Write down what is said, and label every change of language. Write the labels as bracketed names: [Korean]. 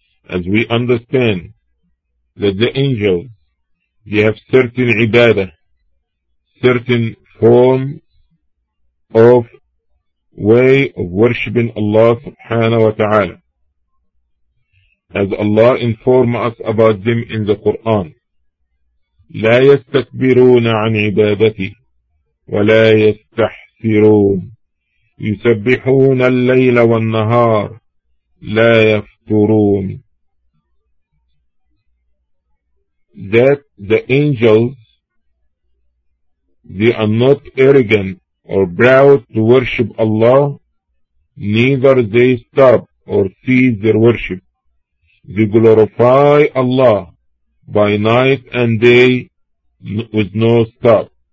[English] As we understand that the angels, they have certain ibadah, certain form of way of worshipping Allah subhanahu wa ta'ala, as Allah informs us about them in the Quran. [Arabic] لا يستكبرون عن عبادتي ولا يستحسرون يسبحون الليل والنهار لا يفترون. [English] That the angels, they are not arrogant or proud to worship Allah, neither they stop or cease their worship. They glorify Allah by night and day with no stop.